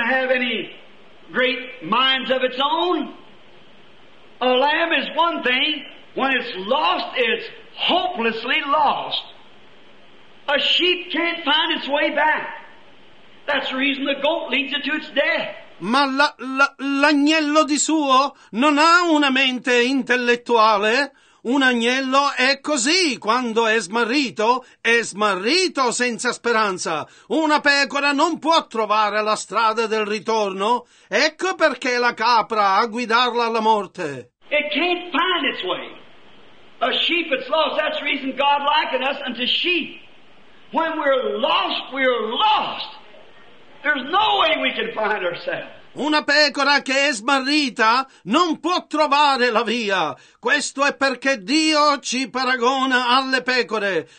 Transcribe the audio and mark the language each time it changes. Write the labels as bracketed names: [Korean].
[English] any great minds of its own. A lamb is one thing. When it's lost, it's hopelessly lost. A sheep can't find its way back. That's the reason the goat leads it to its death. [Italian] Ma l'agnello di suo non ha una mente intellettuale? Un agnello è così, quando è smarrito senza speranza. Una pecora non può trovare la strada del ritorno. Ecco perché la capra a guidarla alla morte. [English] It can't find its way. A sheep it's lost, that's the reason God likened us unto sheep. When we're lost, we're lost. There's no way we can find ourselves. [Italian] Una pecora che è smarrita non può trovare la via. Questo è perché Dio ci paragona alle pecore.